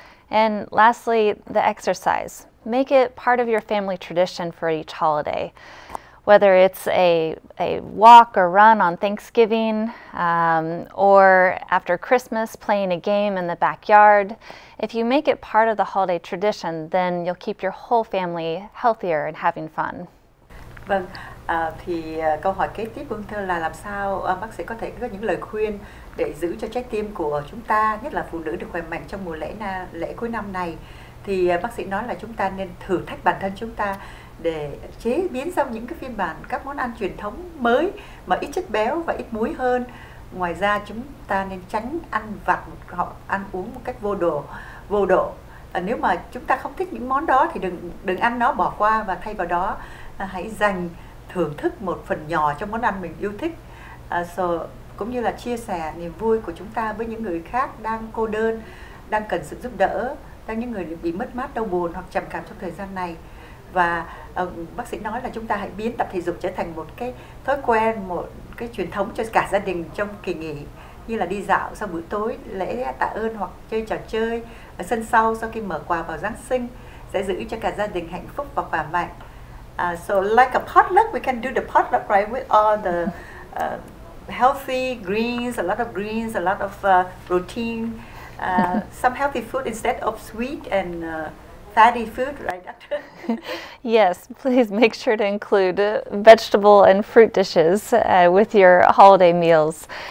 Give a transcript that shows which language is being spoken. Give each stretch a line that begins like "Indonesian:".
English: And lastly, the exercise. Make it part of your family tradition for each holiday. Whether it's a walk or run on Thanksgiving, or after Christmas, playing a game in the backyard. If you make it part of the holiday tradition, then you'll keep your whole family healthier and having fun.
Vietnamese: Vâng, thì câu hỏi kế tiếp của ông Thơ là làm sao bác sĩ có thể có những lời khuyên để giữ cho trái tim của chúng ta, nhất là phụ nữ, được khỏe mạnh trong mùa lễ cuối năm này. Thì bác sĩ nói là chúng ta nên thử thách bản thân chúng ta để chế biến ra những cái phiên bản các món ăn truyền thống mới mà ít chất béo và ít muối hơn. Ngoài ra chúng ta nên tránh ăn vặt hoặc ăn uống một cách vô độ. Nếu mà chúng ta không thích những món đó thì đừng ăn nó, bỏ qua, và thay vào đó hãy dành thưởng thức một phần nhỏ trong món ăn mình yêu thích, cũng như là chia sẻ niềm vui của chúng ta với những người khác đang cô đơn, đang cần sự giúp đỡ, đang những người bị mất mát, đau buồn hoặc trầm cảm trong thời gian này. Và bác sĩ nói là chúng ta hãy biến tập thể dục trở thành một cái thói quen, một cái truyền thống cho cả gia đình trong kỳ nghỉ, như là đi dạo sau bữa tối lễ tạ ơn, hoặc chơi trò chơi ở sân sau sau khi mở quà vào Giáng sinh, sẽ giữ cho cả gia đình hạnh phúc và khỏe mạnh.
English: So like a potluck, we can do the potluck, right, with all the healthy greens, a lot of protein, some healthy food instead of sweet and fatty food, right, doctor? Yes, please make sure to include vegetable and fruit dishes with your holiday meals.